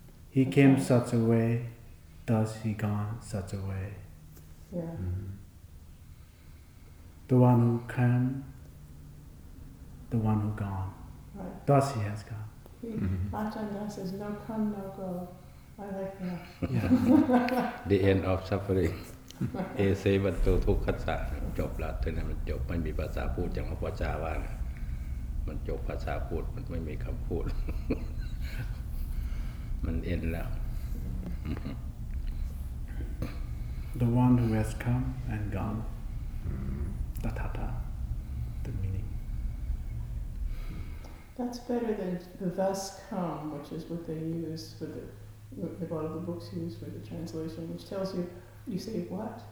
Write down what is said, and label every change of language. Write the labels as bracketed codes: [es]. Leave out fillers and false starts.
[en] He came such a way, thus he gone such a way. The one who came, the one who gone, thus he has gone. Achanda says, no come, no go. I like that. The end of suffering. [th] เอเสวันตุทุกขัสสะจบละเท่านั้นมันจบไม่มีภาษาพูดอย่างพระพุทธเจ้าว่ามันจบภาษาพูดมันไม่มีคำพูดมันเอ็นแล้ว [en] The one who has come and gone ta ta ta the meaning That's better than the thus come which is what they use for the a lot of the books use for the translation which tells youYou say, what?